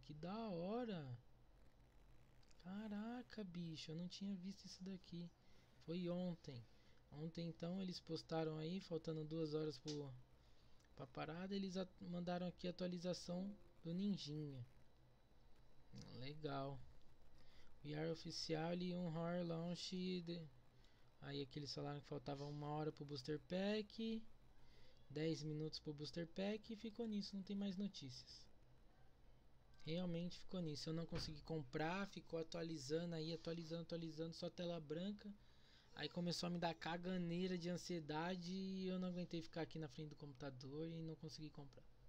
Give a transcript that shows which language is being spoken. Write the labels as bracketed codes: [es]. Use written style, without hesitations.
[pt] Que da hora. Caraca, bicho, eu não tinha visto isso daqui. Foi ontem. Ontem, então, eles postaram aí, faltando 2 horas pra parada. Eles mandaram aqui a atualização do Ninjinha. Legal. [en] We are officially on our launch. [pt] Aí, aqui eles falaram que faltava 1 hora pro Booster Pack. 10 minutos pro Booster Pack e ficou nisso, não tem mais notícias. Realmente ficou nisso. Eu não consegui comprar, ficou atualizando aí, atualizando, atualizando, só tela branca. Aí começou a me dar caganeira de ansiedade e eu não aguentei ficar aqui na frente do computador e não consegui comprar.